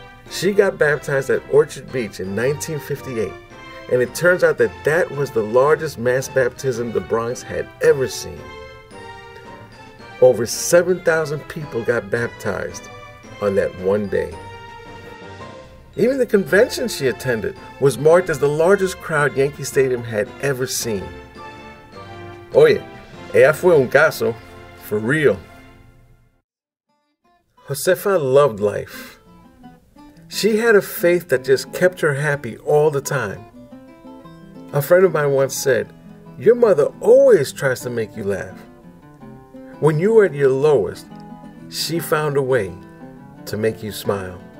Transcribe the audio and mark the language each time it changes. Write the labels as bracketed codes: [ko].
[en] She got baptized at Orchard Beach in 1958, and it turns out that that was the largest mass baptism the Bronx had ever seen. Over 7,000 people got baptized on that one day. Even the convention she attended was marked as the largest crowd Yankee Stadium had ever seen. [es] Oye, ella fue un caso, [en] for real. Josefa loved life. She had a faith that just kept her happy all the time. A friend of mine once said, "Your mother always tries to make you laugh. When you were at your lowest, she found a way to make you smile."